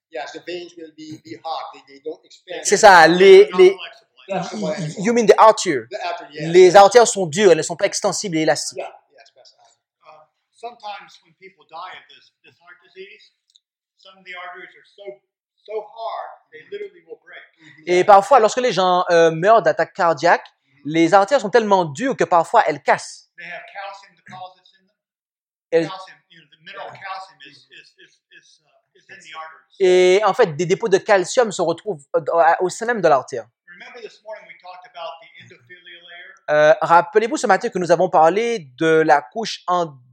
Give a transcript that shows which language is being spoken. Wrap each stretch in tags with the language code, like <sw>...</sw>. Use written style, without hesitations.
<en>yes, the veins will be hard, they don't expand.</en> <fr>C'est ça, les</fr> <en>you mean the artery, yeah.</en> <fr>Les artères sont dures, elles ne sont pas extensibles et élastiques.</fr> <en>Yeah. Sometimes when people die of this heart disease, some of the arteries are so hard they literally will break.</en> <fr>Et parfois, lorsque les gens meurent d'attaque cardiaque, les artères sont tellement dures que parfois elles cassent.</fr> <en>They have calcium deposits in them. Calcium, you know, the mineral calcium is in the arteries.</en> <fr>Et en fait, des dépôts de calcium se retrouvent au sein même de l'artère.</fr> <en>Remember this morning we talked about the endothelial layer.</en> <fr>Rappelez-vous ce matin que nous avons parlé de la couche endothéliale.</fr>